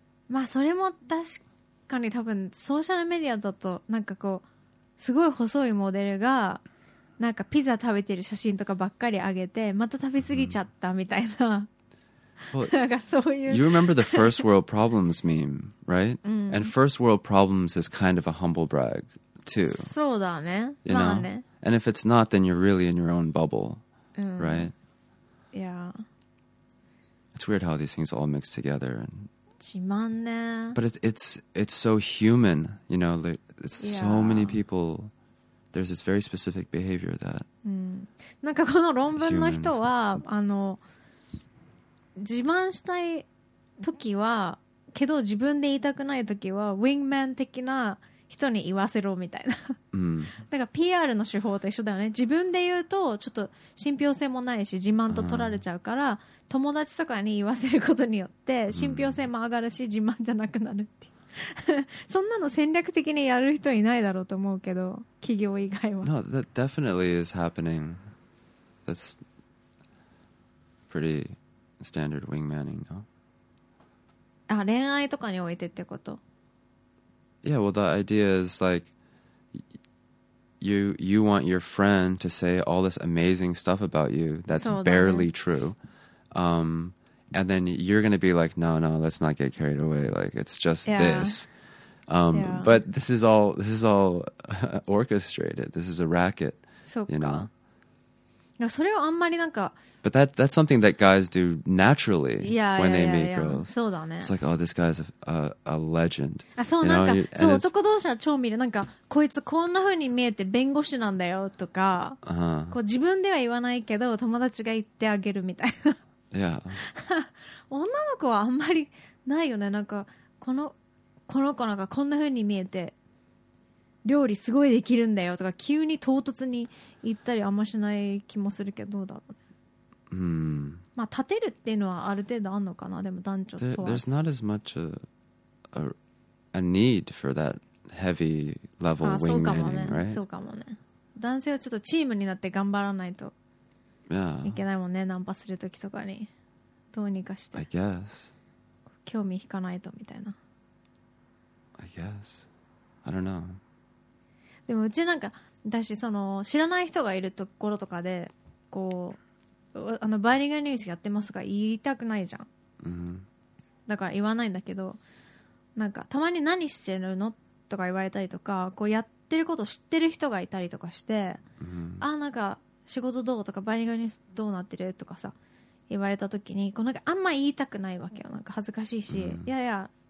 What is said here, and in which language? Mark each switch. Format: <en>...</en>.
<ja>Hmm. まあそれも確かに多分ソーシャルメディアだとなんかこうすごい細いモデルがなんかピザ食べてる写真とかばっかり上げてまた食べ過ぎちゃったみたいな。</ja> <en>Well,</en> <ja>なんかそういう。</ja> <en>You remember the first world problems meme, right? And first world problems is kind of a humble brag too.</en> <ja>そうだね。</ja> <en>You know?</en> <ja>まあね。</ja> <en>And if it's not, then you're really in your own bubble, right? Yeah. It's weird how these things all mix together. And...</en> <ja>自慢ね。</ja> <en>But it's so human, you know, it's so many people, there's this very specific behavior that...</en> <ja>なんかこの論文の人は、あの、自慢したい時は、けど自分で言いたくない時は、ウィングマン的な人に言わせろみたいな。だから PR の手法と一緒だよね。自分で言うとちょっと信憑性もないし自慢と取られちゃうから、友達とかに言わせることによって信憑性も上がるし自慢じゃなくなるっていう。そんなの戦略的にやる人いないだろうと思うけど、企業以外は。</ja> <en>No, that definitely is happening. That's pretty standard wingmaning, no?</en> <ja>あ、恋愛とかにおいてってこと。</ja> <en>Yeah, well, the idea is like you want your friend to say all this amazing stuff about you that's barely true, and then you're gonna be like, no, let's not get carried away. Like it's just this, but this is all orchestrated. This is a racket, you know.</en> <ja>それをあんまりなんか</ja> <en>But that's something that guys do naturally when they meet girls.</en> <ja>そうだね。</ja> <en>It's like, oh, this guy's a legend.</en> <ja>あ、そう、なんか、そう、男同士は超見る。なんか、こいつこんな風に見えて弁護士なんだよとか、こう自分では言わないけど、友達が言ってあげるみたいな。</ja> <en>Yeah.</en> <ja>女の子はあんまりないよね。なんか、この子なんかこんな風に見えて、料理すごいできるんだよとか急に唐突に言ったりあんましない気もするけどどうだろう、ね。まあ立てるっていうのはある程度あるのかな。でも男女問わず。</ja> <en>There's not as much a need for that heavy level wingmaning, right?</en> <ja>そうかもね。男性はちょっとチームになって頑張らないといけないもんね。ナンパするときとかにどうにかして。</ja> <en>I guess.</en> <ja>興味引かないとみたいな。</ja> <en>I guess. I don't know.</en> <ja>でもうちなんか私その知らない人がいるところとかでこうあのバイリンガルニュースやってますが言いたくないじゃん、だから言わないんだけどなんかたまに何してるのとか言われたりとかこうやってること知ってる人がいたりとかして、あなんか仕事どうとかバイリンガルニュースどうなってるとかさ言われた時にこうなんかあんま言いたくないわけよ。なんか恥ずかしいし、いやいや</ja>